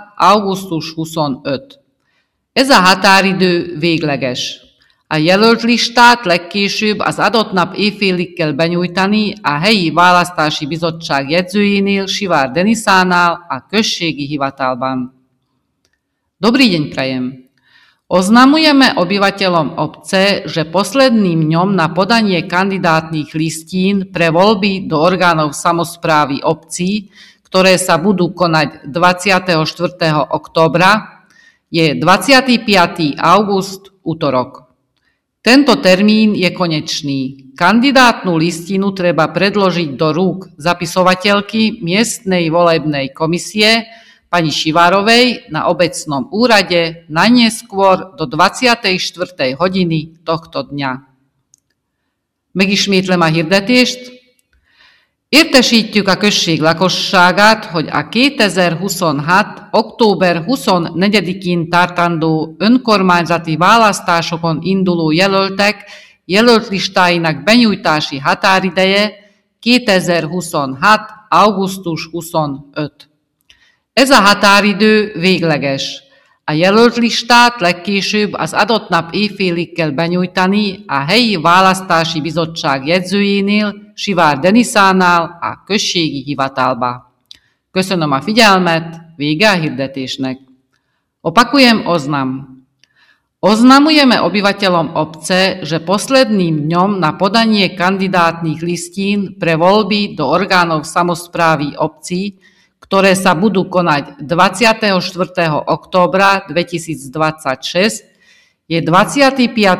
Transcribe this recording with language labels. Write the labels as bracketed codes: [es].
[hu] augusztus 25. Ez a határidő végleges. A jelöltlistát legkésőbb az adott nap éjfélig kell benyújtani a helyi választási bizottság jegyzőjénél, Sivár Denisánál, a községi hivatalban. [sk] Dobrý deň prajem! Oznamujeme obyvateľom obce, že posledným dňom na podanie kandidátnych listín pre voľby do orgánov samosprávy obcí, ktoré sa budú konať 24. októbra, je 25. august, utorok. Tento termín je konečný. Kandidátnu listinu treba predložiť do rúk zapisovateľky miestnej volebnej komisie pani Šivárovej na obecnom úrade najneskôr do 24. hodiny tohto dňa. [hu] Megismétlem a hirdetést. Értesítjük a község lakosságát, hogy a 2026. október 24-én tartandó önkormányzati választásokon induló jelöltek jelöltlistáinak benyújtási határideje 2026. augusztus 25. Ez a határidő végleges. A jelöltlistát legkésőbb az adott nap éjfélig kell benyújtani a helyi választási bizottság jegyzőjénél, Sivár Denisánál a községi hivatalba. Köszönöm a figyelmet, vége a hirdetésnek. [sk] Opakujem oznam. Oznamujeme obyvateľom obce, že posledným dňom na podanie kandidátnych listín pre voľby do orgánov samosprávy obcí, ktoré sa budú konať 24. októbra 2026, je 25.